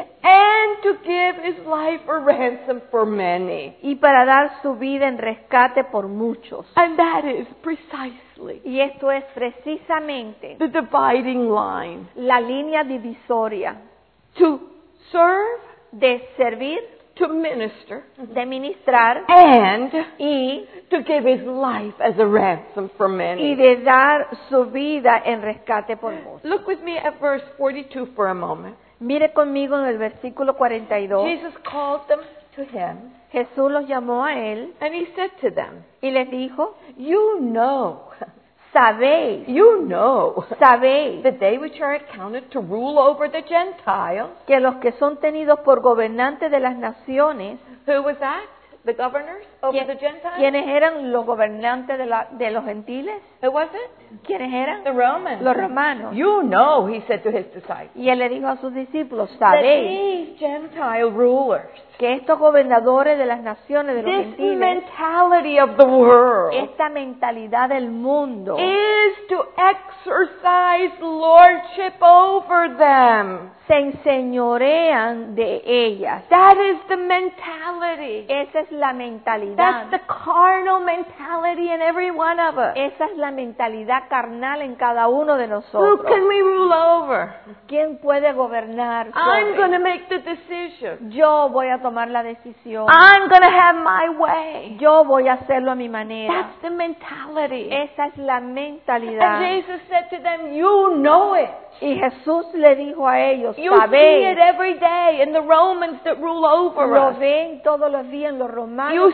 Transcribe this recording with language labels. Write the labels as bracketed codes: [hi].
[en] and to give his life a ransom for many, [es] y para dar su vida en rescate por muchos. [en] And that is precisely, [es] y esto es precisamente, [en] the dividing line, [es] la línea divisoria, [en] to serve, [es] de servir, [en] to minister, [es] de ministrar, [en] and [es] y [en] to give his life as a ransom for many. [es] Y de dar su vida en rescate por muchos. [en] Look with me at verse 42 for a moment. [es] Mire conmigo en el versículo 42. [en] Jesus called them to him. [es] Jesús los llamó a él. [en] And he said to them. [es] Y les dijo, [en] you know. [es] Sabéis. [en] You know. [es] Sabéis. [en] That they which are accounted to rule over the Gentiles. [es] Que los que son tenidos por gobernantes de las naciones. [en] Who was that? The governors over the Gentiles? [es] ¿Quiénes eran los gobernantes de los gentiles? [en] Who was it? [es] ¿Quiénes eran? [en] The Romans. [es] Los romanos. [en] You know, he said to his disciples. [es] Y él le dijo a sus discípulos, sabéis. [en] That these Gentile rulers. [es] Que estos gobernadores de las naciones de los [en] this [es] gentiles. [en] This mentality of the world. [es] Esta mentalidad del mundo. [en] Is to exercise lordship over them. [es] Se enseñorean de ellas. [en] That is the mentality. [es] Esa es la mentalidad. [en] That's the carnal mentality in every one of us. [es] Esa es la mentalidad carnal en cada uno de nosotros. [en] Who can we rule over? [es] ¿Quién puede gobernar? [en] I'm going to make the decision. [es] Yo voy a tomar la decisión. [en] I'm going to have my way. [es] Yo voy a hacerlo a mi manera. [en] That's the mentality. [es] Esa es la mentalidad. [en] And Jesus said to them, you know it. [es] Y Jesús le dijo a ellos, [en] you see it every day in the Romans that rule over [es] us. Lo ven todos los días en los romanos